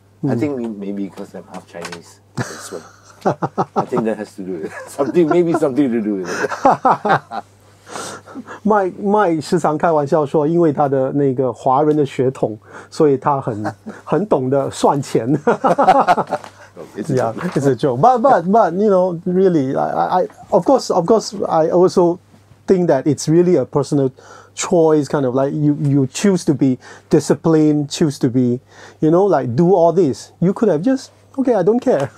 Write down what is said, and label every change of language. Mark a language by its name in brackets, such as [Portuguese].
[English] I think maybe because I'm half Chinese as well. I think that has to do with it. Something to do with it. [Chinese] Mike 时常开玩笑说，因为他的那个华人的血统，所以他很懂得算钱。 [English] Yeah, it's a joke. But you know, really, I of course, I also think that it's really a personal choice, kind of like you choose to be disciplined, choose to be, you know, like do all this. You could have just Okay, I don't care.